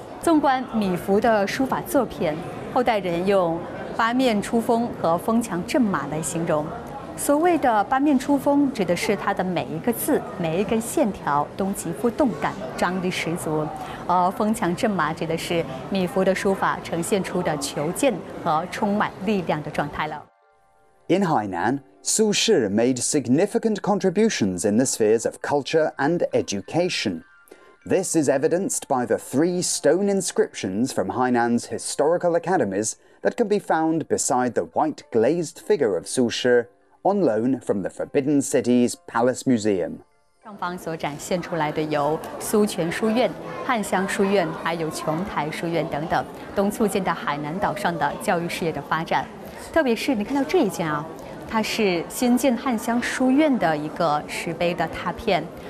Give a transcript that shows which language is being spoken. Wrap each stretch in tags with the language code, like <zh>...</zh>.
<zh>纵观米芾的书法作品，后代人用八面出锋和锋墙阵马来形容。所谓的八面出锋，指的是它的每一个字、每一根线条都极富动感，张力十足；而锋墙阵马指的是米芾的书法呈现出的遒劲和充满力量的状态了。</zh> <en>In Hainan, 苏轼 made significant contributions in the spheres of culture and education. This is evidenced by the three stone inscriptions from Hainan's historical academies that can be found beside the white glazed figure of 苏轼。 On loan from the Forbidden City's Palace Museum.</en> <zh>上方所展现出来的由苏泉书院、汉湘书院，还有琼台书院等等，都促进了海南岛上的教育事业的发展。特别是你看到这一件啊，它是新建汉湘书院的一个石碑的拓片。</zh>